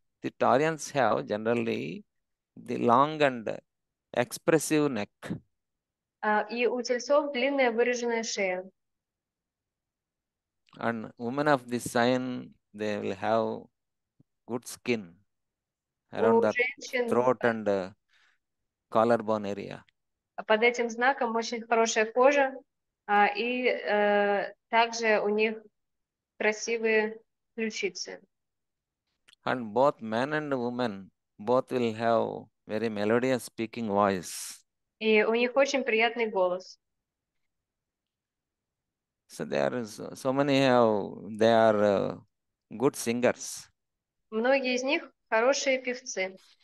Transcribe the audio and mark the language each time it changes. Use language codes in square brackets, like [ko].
[en] The Taurians have generally the long and expressive neck. [ru] И у тельцов длинная выраженная шея. [en] And women of this sign, they will have good skin around the [ru] женщин, [en] throat and the collarbone area. [ru] Под этим знаком очень хорошая кожа, и также у них красивые ключицы. [en] And both men and women, both will have very melodious speaking voice. [ru] И у них очень приятный голос. [en] So there is so many have they are good singers. [ru] Многие из них хорошие певцы.